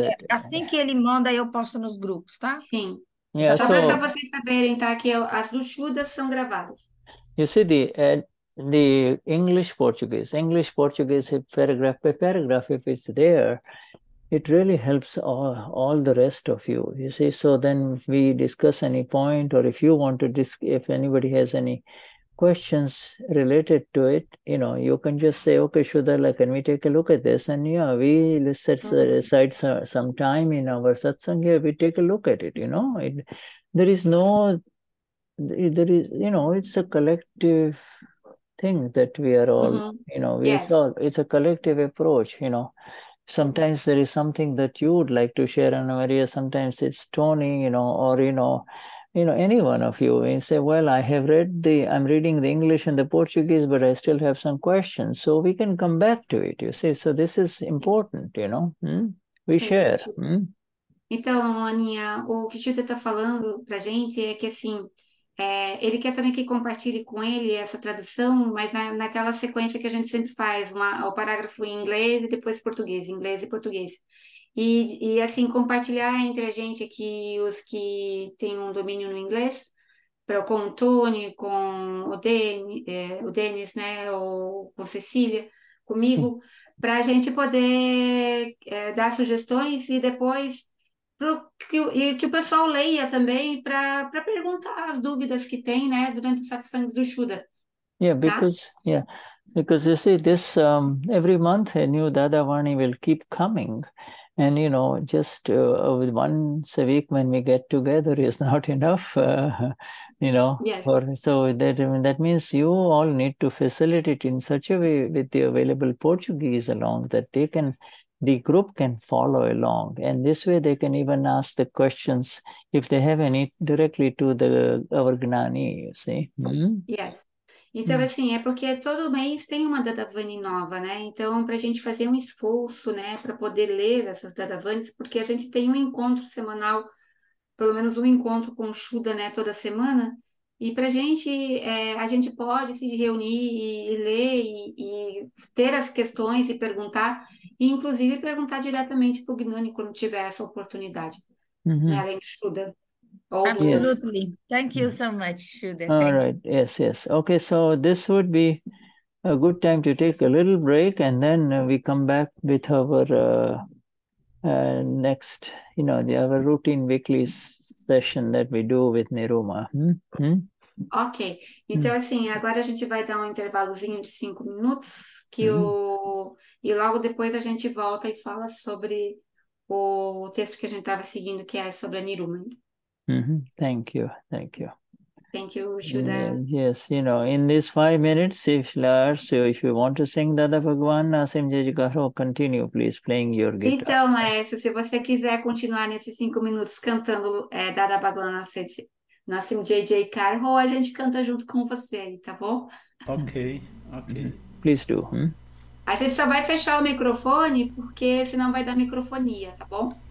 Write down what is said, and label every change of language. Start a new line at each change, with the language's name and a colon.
Portuguese: Assim que ele manda, eu posto nos grupos, tá? Sim.
English: Yeah,
Portuguese: só para vocês saberem, tá, que as do Shuddha são gravadas.
English: You see, the English-Portuguese paragraph, if it's there, it really helps all the rest of you, you see. So then we discuss any point, or if you want to if anybody has any questions related to it, you know, you can just say, okay, Shuddha, can we take a look at this? And yeah, we set aside some time in our satsang here, we take a look at it, you know. It's a collective thing that we are all, mm-hmm. you know, it's a collective approach, you know. sometimes there is something that you would like to share, and Maria, sometimes it's Tony, you know, or you know, any one of you, and say, well, I'm reading the English and the Portuguese, but I still have some questions. So we can come back to it, you see. So this is important, you know. We share.
Portuguese: Então, Aninha, o que o Chita está falando para a gente é que, assim, ele quer também que compartilhe com ele essa tradução, mas naquela sequência que a gente sempre faz, o parágrafo em inglês e depois português, inglês e português. E assim, compartilhar entre a gente aqui os que têm um domínio no inglês, com o Tony, com o Denis, né, ou com Cecília, comigo, para a gente poder dar sugestões e depois... Que o pessoal leia também para perguntar as dúvidas que tem, né, durante os satsangs do Shuddha.
English: Because you see, this every month a new Dada Vani will keep coming, and you know, just once a week when we get together is not enough, you know. Yes. That means you all need to facilitate in such a way with the available Portuguese along that they can. The group can follow along, and this way they can even ask the questions if they have any directly to our Gnani, you see. Yes.
Portuguese: Então, assim, porque todo mês tem uma Dadavani nova, né? Então, para a gente fazer esforço, né, para poder ler essas Dadavanis, porque a gente tem encontro semanal, pelo menos encontro com o Shuddha, né, toda semana. E para a gente pode se reunir e ler e ter as questões e perguntar, e inclusive perguntar diretamente para o Gnani quando tiver essa oportunidade, né, além do Shuddha.
English: Absolutely. Yes. Thank you so much, Shuddha. All right. Yes, yes. Okay, so this would be a good time to take a little break, and then we come back with our next, you know, our routine weekly session that we do with Niruma.
Portuguese: Ok, então assim, agora a gente vai dar intervalozinho de 5 minutos, e logo depois a gente volta e fala sobre o texto que a gente estava seguindo, que é sobre a Niruma.
English: Thank you. Thank you, Shuddha. Yes, you know, in these 5 minutes, if Lars, if you want to sing Dada Bhagwan Na Aseem, continue, please, playing your guitar.
Portuguese: Então, Laércio, se você quiser continuar nesses 5 minutos cantando Dada Bhagwan Na Aseem, Nasim JJ Carro, a gente canta junto com você aí, tá bom?
English: Ok. Please do.
Portuguese: A gente só vai fechar o microfone, porque senão vai dar microfonia, tá bom?